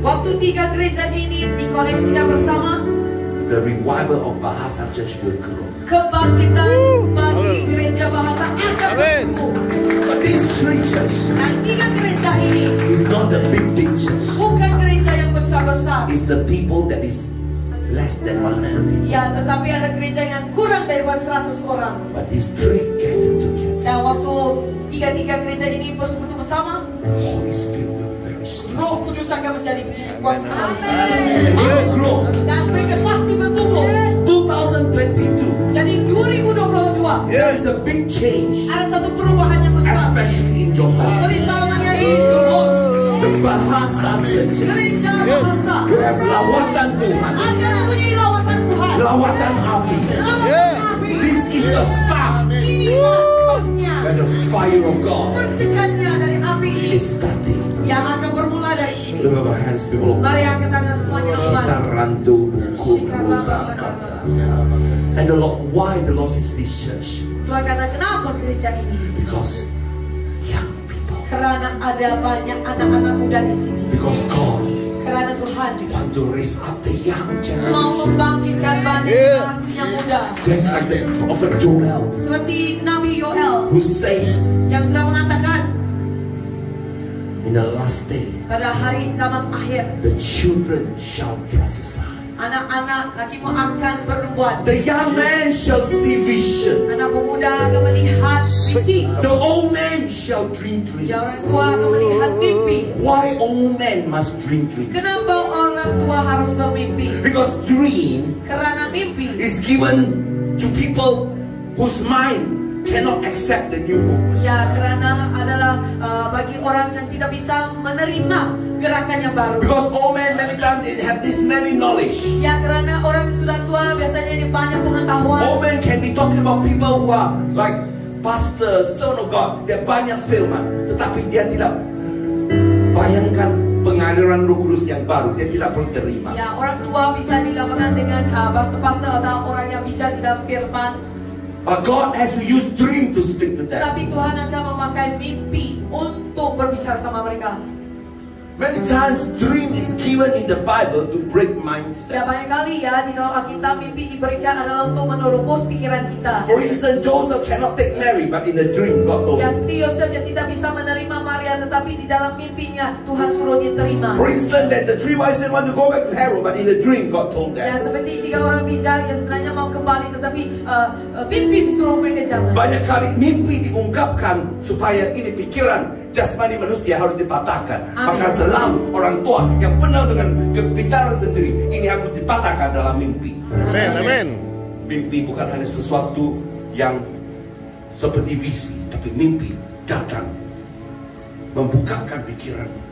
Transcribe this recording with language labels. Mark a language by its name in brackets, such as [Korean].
[Indonesian] Waktu tiga gereja ini dikoneksikan bersama. [English] The revival of Bahasa Church will grow. [Indonesian] Kebangkitan bagi gereja Bahasa akan tumbuh. [English] But these three churches. [Indonesian] Nah, tiga gereja ini. [English] Is not the big church. [Indonesian] Bukan gereja yang besar-besar. [English] It's the people that is less than 100 people. [Indonesian] Ya, tetapi ada gereja yang kurang dari 100 orang. [English] But these three gather together. [Indonesian] Nah, waktu tiga-tiga gereja ini bersekutu bersama. [English] Holy Spirit will be very strong. [Indonesian] Roh Kudus akan menjadi begitu kuat. [English] Amen. It will grow. [Indonesian] Dan mereka pasti bertumbuh. [English] 2022. [Indonesian] Jadi 2022. [English] There is a big change. [Indonesian] Ada satu perubahan yang besar. [English] Especially in Johor. [Indonesian] Terutamanya di Johor. [English] The Bahasa Church. [Indonesian] Gereja Bahasa. [English] We have [Indonesian] lawatan Tuhan. Akan mempunyai lawatan Tuhan. Lawatan api. Lawatan api. [English] This is the spark. [Indonesian] Inilah sparknya. [English] The fire of God. [Indonesian] Percikannya dari api ini. [English] Is starting. [Indonesian] Yang akan bermula dari sini. [English] Lift up our hands, people of God. [Indonesian] Mari angkat tangan semuanya. Kita rantau buku berita kata. [English] And the Lord, why the Lord is this church? [Indonesian] Tuhan kata, kenapa gereja ini? [English] Because young people. [Indonesian] Karena ada banyak anak-anak muda di sini. [English] Because God. [Indonesian] Karena Tuhan. [English] Want to raise up the young generation. [Indonesian] Mau membangkitkan banyak generasi yang muda. [English] Just like the prophet Joel. [Indonesian] Seperti Nabi Yoel. [English] Who says? [Indonesian] Yang sudah mengatakan. [English] In the last day. [Indonesian] Pada hari zaman akhir. [English] The children shall prophesy. [Indonesian] Anak-anak lakimu akan bernubuat. [English] The young man shall see vision. [Indonesian] Anak pemuda akan melihat visi. [English] The old man shall dream dreams. [Indonesian] Yang orang tua akan melihat mimpi. [English] Why old man must dream dreams? [Indonesian] Kenapa orang tua harus bermimpi? [English] Because dream. [Indonesian] Karena mimpi. [English] Is given to people whose mind cannot accept the new movement. [Indonesian] Ya, karena adalah bagi orang yang tidak bisa menerima gerakan yang baru. [English] Because old men many times they have this many knowledge. [Indonesian] Ya, karena orang yang sudah tua biasanya ini banyak pengetahuan. [English] Old men can be talking about people who are like pastor, son of God. [Indonesian] Dia banyak firman, tetapi dia tidak bayangkan pengaliran Roh Kudus yang baru, dia tidak perlu terima. Ya, orang tua bisa dilaporkan dengan pastor-pastor atau orang yang bijak di dalam firman. [English] But God has to use dream to speak to them. [Indonesian] Tapi Tuhan akan memakai mimpi untuk berbicara sama mereka. [English] Many times dream is given in the Bible to break mindset. [Indonesian] Ya, banyak kali ya di dalam Alkitab mimpi diberikan adalah untuk menerobos pikiran kita. [English] For instance, Joseph cannot take Mary, but in the dream God told him. [Indonesian] Ya, seperti Yosef yang tidak bisa menerima Maria, tetapi di dalam mimpinya Tuhan suruh dia terima. [English] For instance, that the three wise men want to go back to Herod, but in the dream God told them. [Indonesian] Ya, seperti tiga orang bijak yang sebenarnya mau kembali, tetapi mimpi suruh mereka jalan. Banyak kali mimpi diungkapkan supaya ini pikiran jasmani manusia harus dipatahkan. Amin. Lalu orang tua yang penuh dengan kebitaran sendiri ini harus dipatahkan dalam mimpi. Amen, amen. Mimpi bukan hanya sesuatu yang seperti visi, tapi mimpi datang membukakan pikiran.